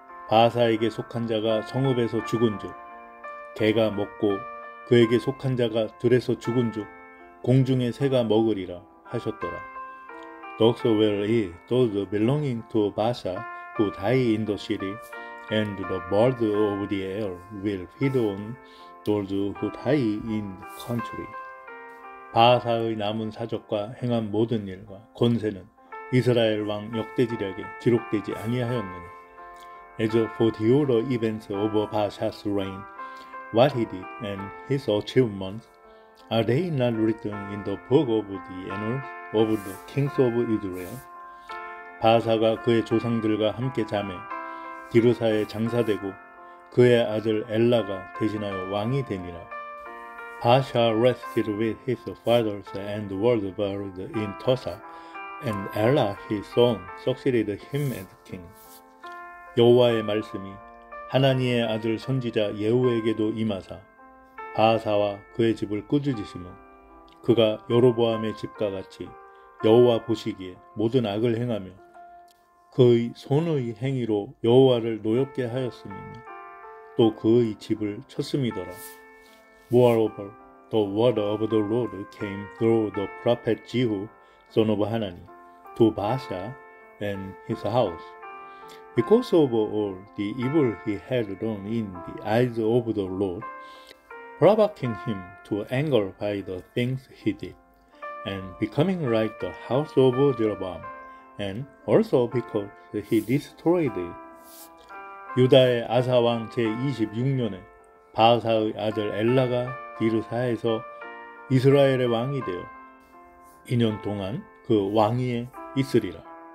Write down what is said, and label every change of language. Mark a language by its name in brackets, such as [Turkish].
[Korean] 바사에게 속한 자가 성읍에서 죽은 즉, 개가 먹고 그에게 속한 자가 들에서 죽은 즉, 공중의 새가 먹으리라 하셨더라. [English] Dogs will eat those belonging to Baasha who die in the city, And the birds of the air will feed on those who die in the country. [Korean] 바사의 남은 사적과 행한 모든 일과 권세는 이스라엘 왕 역대지략에 기록되지 아니하였느냐. [English] As for the other events of Baasha's reign, what he did and his achievements, are they not written in the book of the annals of the kings of Israel? [Korean] 바사가 그의 조상들과 함께 잠에 디르사에 장사되고 그의 아들 엘라가 대신하여 왕이 되니라. [English] Baasha rested with his fathers and was buried in Tosa, and Ella his son succeeded him as king. [Korean] 여호와의 말씀이 하나니의 아들 선지자 예후에게도 임하사 바사와 그의 집을 꾸짖으심은 그가 여로보암의 집과 같이 여호와 보시기에 모든 악을 행하며 그의 손의 행위로 여호와를 노엽게 하였음이며 또 그의 집을 쳤음이더라. [English] Moreover, the word of the Lord came through the prophet Jehu, son of Hanani, to Baasha and his house. Because of all the evil he had done in the eyes of the Lord, provoking him to anger by the things he did, and becoming like the house of Jeroboam, and also because he destroyed it. [Korean] 유다의 아사왕 제26년에 바사의 아들 엘라가 디르사에서 이스라엘의 왕이 되어 2년 동안 그 왕위에 있으리라.